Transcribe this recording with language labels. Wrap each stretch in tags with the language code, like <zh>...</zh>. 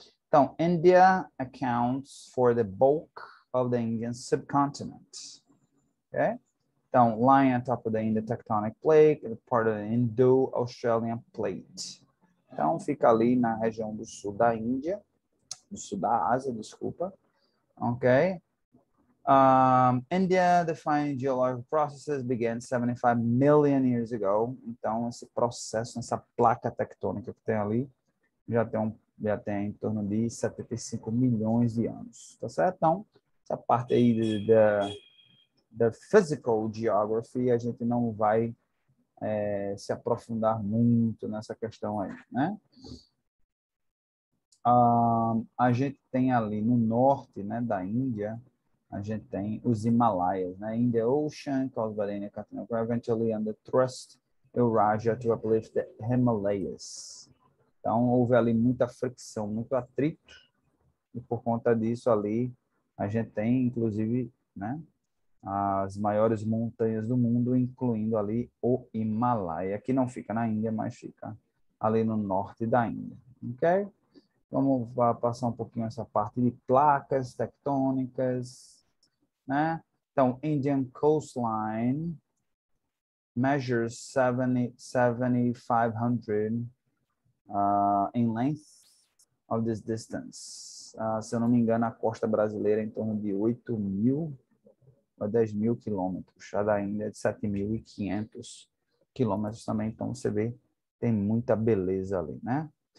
<en>Então, India accounts for the bulk of the Indian subcontinent. Okay? Então, lying on top of the Indian tectonic plate, part of the Indo-Australian plate.</en> <pt>Então, fica ali na região do sul da Índia, do sul da Ásia, desculpa. Ok?</pt> <en>India defined geological processes began 75 million years ago.</en> <pt>Então, esse processo, essa placa tectônica que tem ali, já tem em torno de 75 milhões de anos. Tá certo? Então, essa parte aí da physical geography, a gente não vai se aprofundar muito nessa questão aí, né? A gente tem ali no norte, né, da Índia, a gente tem os Himalaias, né?</pt> <en>Indian Ocean, caused by the Indian Continental, eventually under thrust, Eurasia to uplift the Himalayas.</en> <pt>Então, houve ali muita fricção, muito atrito, e por conta disso ali, a gente tem, inclusive, né, as maiores montanhas do mundo, incluindo ali o Himalaia, que não fica na Índia, mas fica ali no norte da Índia, ok? Vamos passar um pouquinho essa parte de placas tectônicas, né?</pt> <en>Então, Indian coastline measures 7,500 in length of this distance.</en> <pt>Se eu não me engano, a costa brasileira é em torno de 8 mil a 10 mil quilômetros. A da Índia é de 7.500 quilômetros também. Então, você vê, tem muita beleza ali, né?</pt>